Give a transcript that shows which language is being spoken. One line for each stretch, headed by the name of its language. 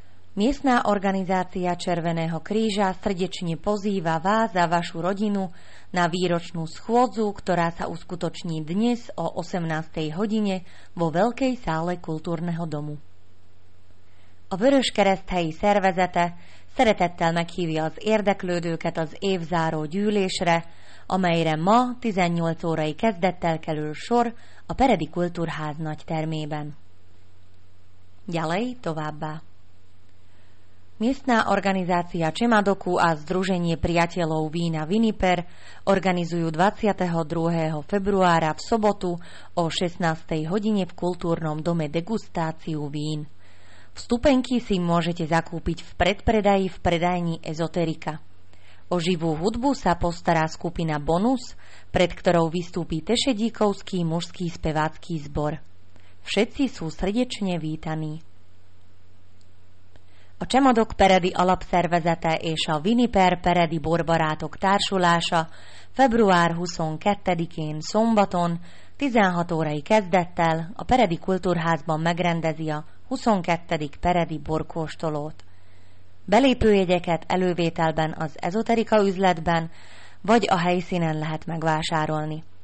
Slovak: Miestná organizácia Červeného kríža srdečne pozýva vás a vašu rodinu na výročnú schôdzu, ktorá sa uskutoční dnes o 18. hodine vo Veľkej sále kultúrneho domu.
Hungarian: A vöröskeresztei szervezete szeretettel meghívja az érdeklődőket az évzáró gyűlésre, amelyre ma 18 órai kezdettel kerül sor a Peredi Kultúrház nagy termében.
Slovak: Ďalej
Hungarian: továbbá.
Slovak: Miestná organizácia Čemadoku a Združenie priateľov vína Viniper organizujú 22. februára v sobotu o 16. hodine v kultúrnom dome degustáciu vín. Vstupenky si môžete zakúpiť v predpredaji v predajni Ezoterika. O živú hudbu sa postará skupina Bonus, pred ktorou vystúpi Tešedíkovský mužský spevácky zbor. Všetci sú srdečne vítaní.
Hungarian: A Csemadok Peredi Alapszervezete és a Viniper Peredi Borbarátok Társulása február 22-én szombaton 16 órai kezdettel a Peredi Kultúrházban megrendezi a 22. Peredi Borkóstolót. Belépőjegyeket elővételben az Ezoterika üzletben vagy a helyszínen lehet megvásárolni.